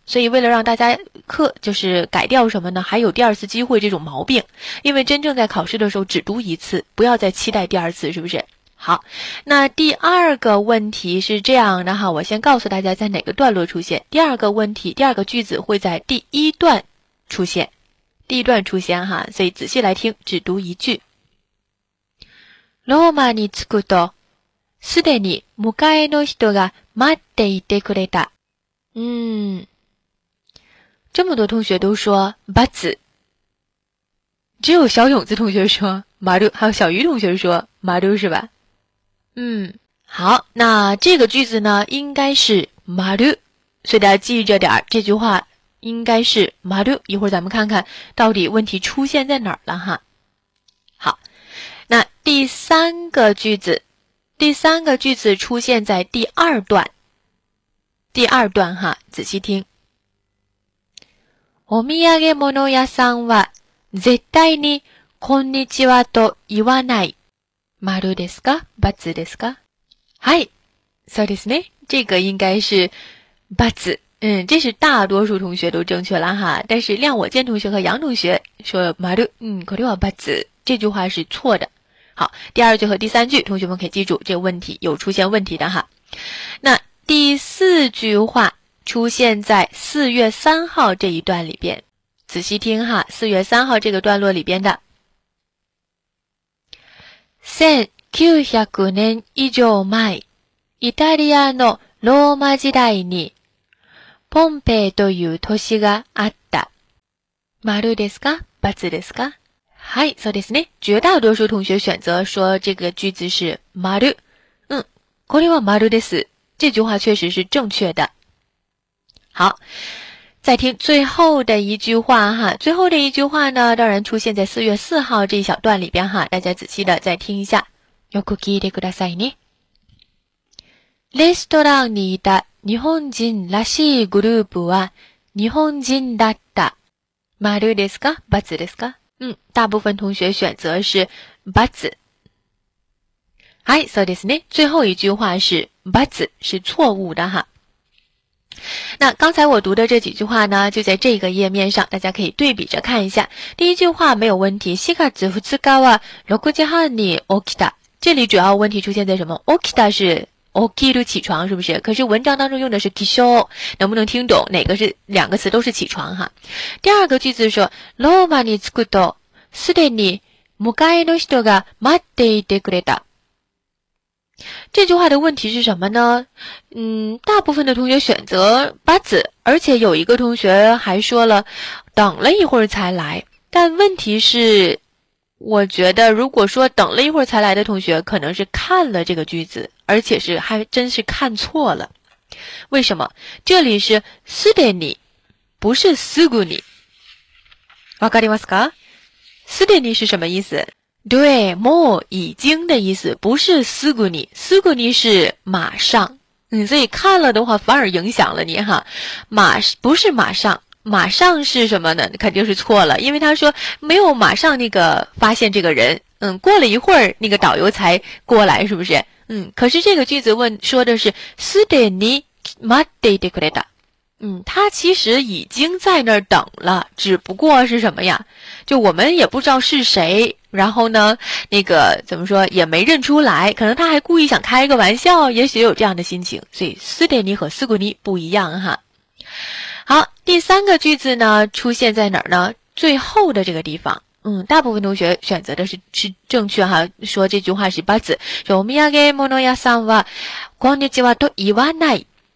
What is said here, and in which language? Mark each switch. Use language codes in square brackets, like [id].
[zh] 所以为了让大家课就是改掉什么呢，还有第二次机会这种毛病，因为真正在考试的时候只读一次，不要再期待第二次，是不是？好，那第二个问题是这样的哈，我先告诉大家在哪个段落出现。第二个问题，第二个句子会在第一段出现，第一段出现哈，所以仔细来听，只读一句。 [ja] ローマに着くと、すでに迎えの人が待っていてくれた。 [zh] 嗯，这么多同学都说バツ，只有小勇子同学说マル，还有小鱼同学说マル是吧？嗯，好，那这个句子呢应该是マル，所以大家记着点，这句话应该是マル，一会儿咱们看看到底问题出现在哪儿了哈。好，那第三个句子，第三个句子出现在第二段，第二段哈，仔细听。 [ja] お土産物屋さんは絶対にこんにちはと言わない。マルですか？バツですか？はい。そうですね。 [zh] 这个应该是バツ。嗯，这是大多数同学都正确了哈。但是亮我健同学和杨同学说マル，嗯， [ja] これはバツ。 [zh] 这句话是错的。好，第二句和第三句，同学们可以记住，这个问题有出现问题的哈。那第四句话出现在4月3号这一段里边。仔细听哈，4月3号这个段落里边的。 [ja] 1900年以上前、イタリアのローマ時代に、ポンペイという都市があった。丸ですか？バツですか？はい、そうですね。 [zh] 绝大多数同学选择说这个句子是丸。嗯、 [ja] これは丸です。 [zh] 这句话确实是正确的。好。再听最后的一句话哈，最后的一句话呢，当然出现在4月4号这一小段里边哈，大家仔细的再听一下。 [ja] よく聞いてくださいね。レストランにいた日本人らしいグループは日本人だった。丸ですか？バツですか？ [zh] 大部分同学选择是バツ。 [ja] はい、そうですね。 [zh] 最后一句话是バツ，是错误的哈。那刚才我读的这几句话呢，就在这个页面上，大家可以对比着看一下。第一句话没有问题， [ja] 4月2日は6時半に起きた。 [zh] 这里主要问题出现在什么？起きた是起きる，起床，是不是？可是文章当中用的是起床，能不能听懂哪个是两个词都是起床哈？第二个句子说， [ja] ローマに着くとすでに向かいの人が待っていてくれた。 [zh] 这句话的问题是什么呢？大部分的同学选择八字，而且有一个同学还说了等了一会儿才来。但问题是，我觉得如果说等了一会儿才来的同学可能是看了这个句子，而且是还真是看错了。为什么？这里是すでに，不是すぐに。 [ja] わかりますか？ [zh] すでに是什么意思？对，もう已经的意思，不是すぐに。すぐに是马上。所以看了的话反而影响了你哈。不是马上。马上是什么呢？肯定是错了，因为他说没有马上那个发现这个人，过了一会儿那个导游才过来，是不是？可是这个句子问说的是 [ja] すでに待っていてくれた。 [zh] 他其实已经在那儿等了，只不过是什么呀？就我们也不知道是谁，然后呢，那个怎么说也没认出来，可能他还故意想开个玩笑，也许有这样的心情。所以すでに和すぐに不一样哈。好，第三个句子呢，出现在哪儿呢？最后的这个地方。大部分同学选择的是正确哈，说这句话是八字。 [ja] 说お土産物屋さんはこんにちはと言わない。